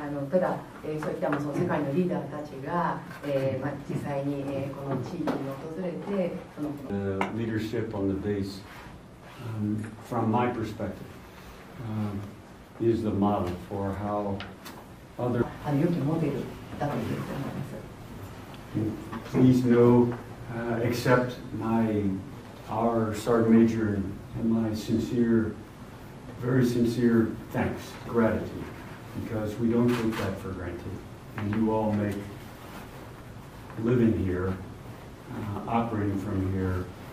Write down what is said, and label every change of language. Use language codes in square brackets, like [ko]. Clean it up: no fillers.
[ja] ただ、そういったもその世界のリーダーたちが、実際に、この地域に訪れて、 [en] The leadership on the base, from my perspective, is the model for how other... [ja] よきモデルだと言ってもらいます。 [en] Please know, accept our Sergeant Major and my sincere, very sincere thanks, gratitude. Because we don't take that for granted, and you all make living here, operating from here.